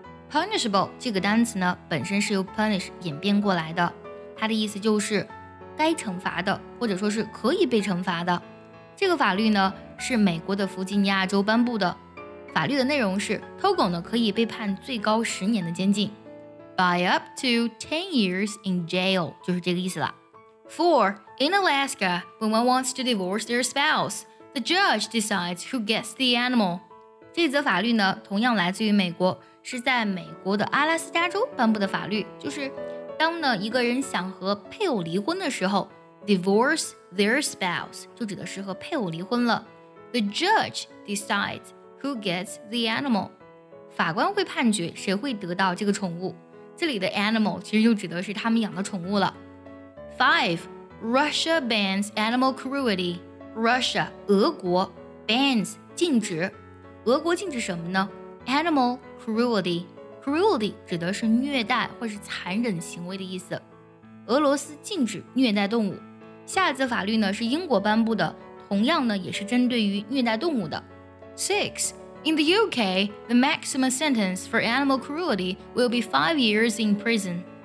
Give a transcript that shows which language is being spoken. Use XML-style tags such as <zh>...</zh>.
<zh>Punishable 这个单词呢，本身是由 punish 演变过来的，它的意思就是该惩罚的，或者说是可以被惩罚的。这个法律呢是美国的弗吉尼亚州颁布的，法律的内容是偷狗呢可以被判最高10年的监禁。</zh> <en>By up to 10 years in jail,</en> <zh>就是这个意思了。</zh> <en>4. In Alaska, when one wants to divorce their spouse, the judge decides who gets the animal.</en> <zh>这则法律呢，同样来自于美国，是在美国的阿拉斯加州颁布的法律，就是当呢一个人想和配偶离婚的时候，</zh> <en>divorce their spouse,</en> <zh>就指的是和配偶离婚了。</zh> <en>The judge decides who gets the animal.</en> <zh>法官会判决谁会得到这个宠物。这里的 animal 其实就指的是他们养的宠物了。5.</zh> <en>Russia bans animal cruelty. Russia 俄国 bans 禁止，</en> <zh>俄国禁止什么呢？ animal cruelty. cruelty 指的是虐待或是残忍行为的意思，俄罗斯禁止虐待动物。下一则法律呢是英国颁布的，同样呢也是针对于虐待动物的。 6.</zh> <en>In the UK, the maximum sentence for animal cruelty will be 5 years in prison.</en>